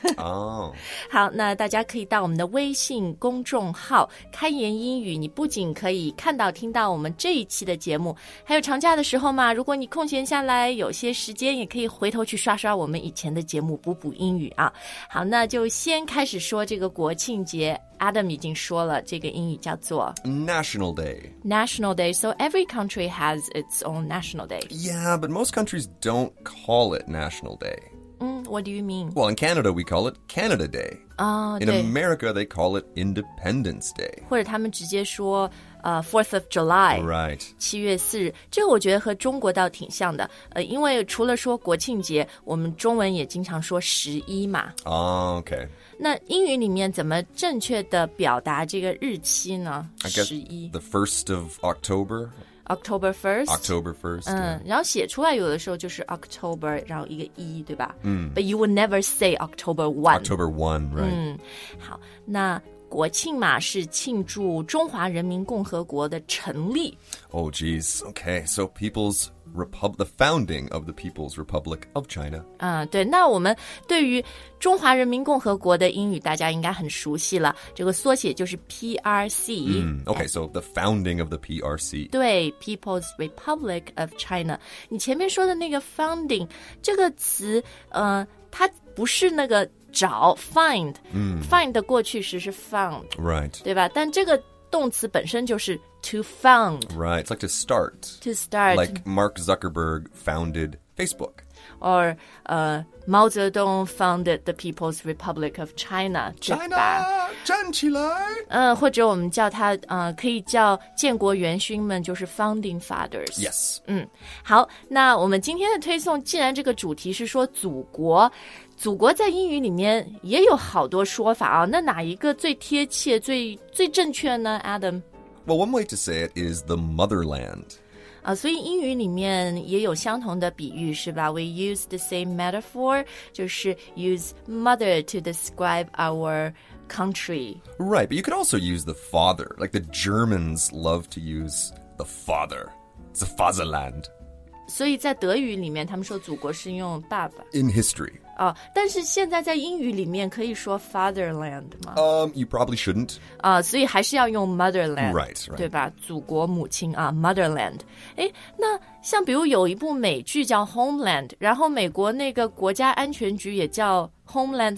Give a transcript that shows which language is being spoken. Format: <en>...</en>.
<zh>好，那大家可以到我们的微信公众号开言英语，你不仅可以看到听到我们这一期的节目，还有长假的时候嘛，如果你空闲下来有些时间，也可以回头去刷刷我们以前的节目，补补英语啊。好，那就先开始说这个国庆节。Adam 已经说了，这个英语叫做</zh> <en>National Day. National Day. So every country has its own National Day. Yeah, but most countries don't call it National Day. What do you mean? Well, in Canada, we call it Canada Day. In America, they call it Independence Day.</en> <zh>或者他们直接说 Fourth of July.</zh> <en>Right.</en> <zh>七月四日，这个我觉得和中国倒挺像的。因为除了说国庆节，我们中文也经常说十一嘛。</zh> <en>Okay.</en> <zh>那英语里面怎么正确的表达这个日期呢？十一</zh> <en>，the first of October. October 1st. October 1st.</en> <zh>嗯，然后写出来有的时候就是 October， 然后一个一，对吧？嗯。</zh> <en>But you would never say October 1. October 1, right?</en> <zh>嗯，好，那国庆嘛是庆祝中华人民共和国的成立。</zh> <en>Oh, geez. Okay, so people's the founding of the People's Republic of China.</en> <zh>对，那我们对于中华人民共和国的英语大家应该很熟悉了，这个缩写就是 PRC.</zh> <en>Okay, so the founding of the PRC. 对， People's Republic of China.</en> <zh>你前面说的那个 founding, 这个词它不是那个找 find,find 的过去时是 found,</zh> <en>right?</en> <zh>对吧？但这个动词本身就是 to found,</zh> <en>right? It's like to start, to start, like Mark Zuckerberg founded Facebook, or Mao Zedong founded the People's Republic of China,</en> <zh>China 站起来。或者我们叫它可以叫建国元勋们，就是 founding fathers.</zh> <en>Yes.</en> <zh>好，那我们今天的推送，既然这个主题是说祖国。祖国在英语里面也有好多说法啊，那哪一个最贴切、最正确呢 ，Adam？</zh> <en>Well, one way to say it is the motherland.</en> <zh>所以英语里面也有相同的比喻是吧 ？</zh> <en>We use the same metaphor,</en> <zh>就是</zh> <en>use mother to describe our country. Right, but you could also use the father. Like the Germans love to use the father, the Fatherland.</en> <zh>所以在德语里面，他们说祖国是用爸爸。</zh> <en>In history.</en> <zh>但是现在在英语里面可以说 fatherland 吗？</zh> <en>You probably shouldn't.</en> <zh>所以还是要用 motherland.</zh> <en>Right, right.</en> <zh>对吧？祖国母亲啊 ，motherland. 那像比如有一部美剧叫 Homeland， 然后美国那个国家安全局也叫 Homeland</zh>